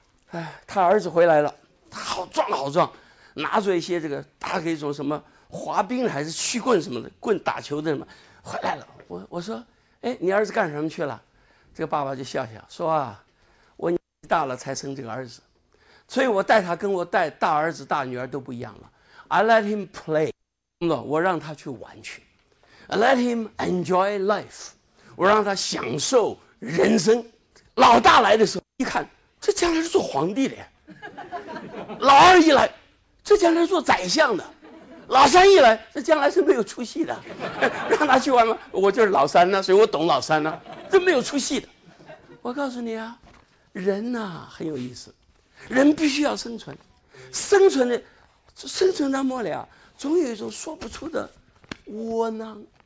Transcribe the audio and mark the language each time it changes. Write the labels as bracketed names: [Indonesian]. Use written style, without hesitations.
[Chinese] 哎，他儿子回来了，他好壮好壮，拿着一些这个大概一种什么滑冰还是曲棍什么的，棍打球的什么回来了。我说，哎，你儿子干什么去了？这个爸爸就笑笑说啊，我年纪大了才生这个儿子，所以我带他跟我带大儿子大女儿都不一样了。 [English] I let him play， [Chinese] 我让他去玩去。 [English] I let him enjoy life， [Chinese] 我让他享受人生。老大来的时候一看，这将来是做皇帝的。老二一来，这将来是做宰相的。老三一来，这将来是没有出息的。让他去玩吗？我就是老三呢、啊、所以我懂老三呢、啊、这没有出息的。我告诉你啊，人呐、啊、很有意思，人必须要生存，生存到末了总有一种说不出的窝囊。